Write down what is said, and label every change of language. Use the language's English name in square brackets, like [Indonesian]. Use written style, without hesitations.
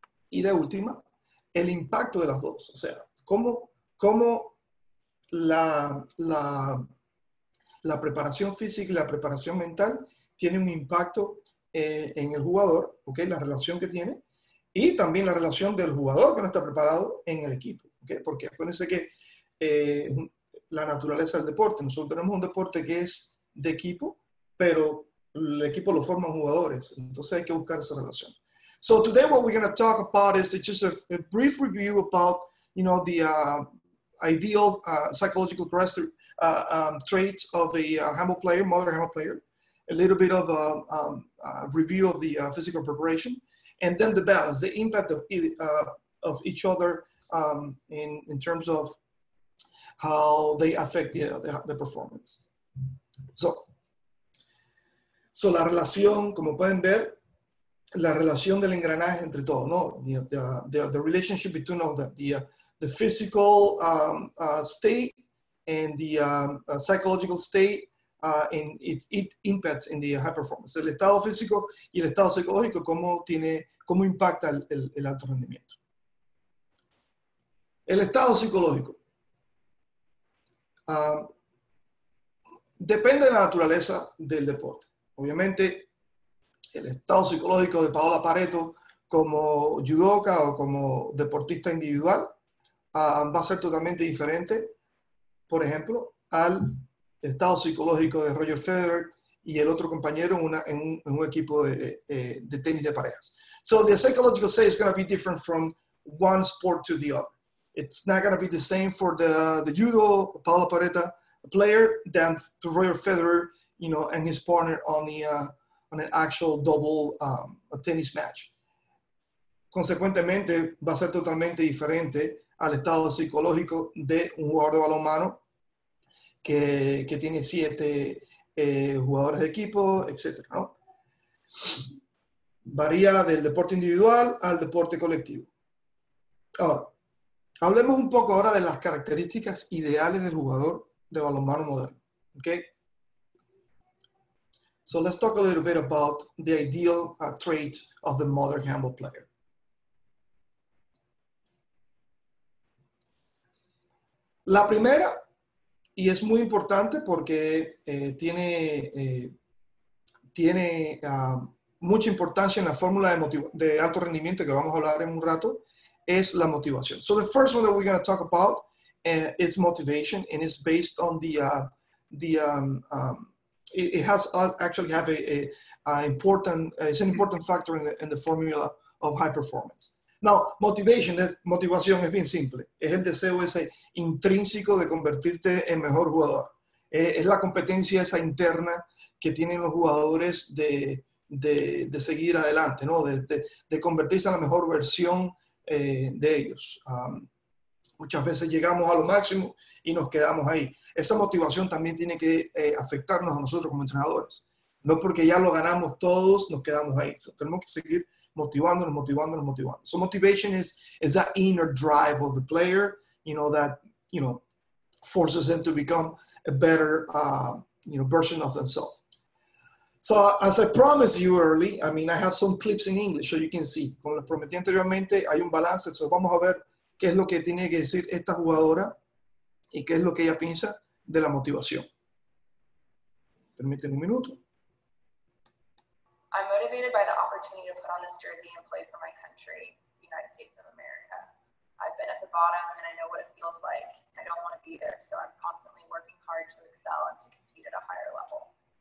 [Spanish] Y de última, el impacto de las dos. O sea, cómo la preparación física y la preparación mental tienen un impacto en el jugador, ¿ok? La relación que tiene. Y también la relación del jugador que no está preparado en el equipo, ¿okay? Porque acuérdense que la naturaleza del deporte, nosotros tenemos un deporte que es de equipo, pero el equipo lo forman jugadores, entonces hay que buscar esa relación. [English] So today what we're going to talk about is just a brief review about, you know, the ideal psychological traits of the handball player, modern handball player, a little bit of a review of the physical preparation. And then the balance, the impact of each other in terms of how they affect the performance. So, [Spanish] So, la relación, como pueden ver, la relación del engranaje entre todos, ¿no? [English] The relationship between all that, the physical state and the psychological state, and it impacts in the high performance. [Spanish] El estado físico y el estado psicológico, cómo impacta el alto rendimiento. El estado psicológico. Depende de la naturaleza del deporte. Obviamente, el estado psicológico de Paola Pareto como judoka o como deportista individual va a ser totalmente diferente, por ejemplo, al estado psicológico de Roger Federer y el otro compañero en un equipo de tenis de parejas. [English] So the psychological state is going to be different from one sport to the other. It's not going to be the same for the judo Paola Pareto player than to Roger Federer, you know, and his partner on an actual double a tennis match. [Spanish] Consecuentemente, va a ser totalmente diferente al estado psicológico de un jugador de balonmano que tiene 7 jugadores de equipo, etc. ¿No? Varía del deporte individual al deporte colectivo. Ahora, hablemos un poco ahora de las características ideales del jugador de balonmano moderno. ¿Okay? [English] So let's talk a little bit about the ideal trait of the modern handball player. [Spanish] La primera, y es muy importante porque tiene mucha importancia en la fórmula de alto rendimiento que vamos a hablar en un rato, es la motivación. [English] So the first one that we're going to talk about is motivation, and it's based on it's an important factor in the formula of high performance. [Spanish] Now, motivación es bien simple. Es el deseo ese intrínseco de convertirte en mejor jugador. Es la competencia esa interna que tienen los jugadores de seguir adelante, ¿no? De convertirse en la mejor versión de ellos. Muchas veces llegamos a lo máximo y nos quedamos ahí. Esa motivación también tiene que afectarnos a nosotros como entrenadores. No porque ya lo ganamos todos, nos quedamos ahí. So, tenemos que seguir motivándonos. [English] So motivation is that inner drive of the player, you know, that, you know, forces them to become a better, you know, version of themselves. So as I promised you early, I mean, I have some clips in English so you can see. [Spanish] Como les prometí anteriormente, hay un balance. So vamos a ver qué es lo que tiene que decir esta jugadora y qué es lo que ella piensa de la motivación. Permíteme un minuto. [English] I'm motivated by the opportunity to put on this jersey and play for my country, the United States of America. I've been at the bottom and I know what it feels like. I don't want to be there, so I'm constantly working hard to excel and to compete at a higher level.